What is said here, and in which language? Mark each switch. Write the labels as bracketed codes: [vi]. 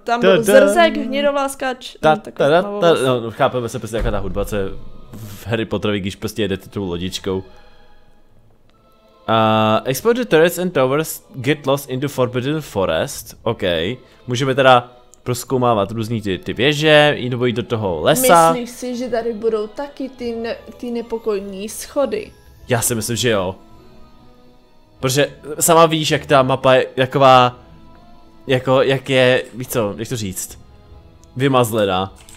[cs] Tam byl zrzek, hnědová skáč. No, chápeme se prostě, jaká ta hudba, co je v Harry Potterovi, když prostě jedete tou lodičkou. [en] Explore the turrets and towers, get lost into Forbidden Forest. OK. [cs] Můžeme teda prozkoumávat různý ty věže, nebo jít do toho lesa. Myslíš si, že tady budou taky ty nepokojní schody? Já si myslím, že jo. Protože sama víš, jak ta mapa je taková... Jako, jak je, víš co, jak to říct, vymazlená.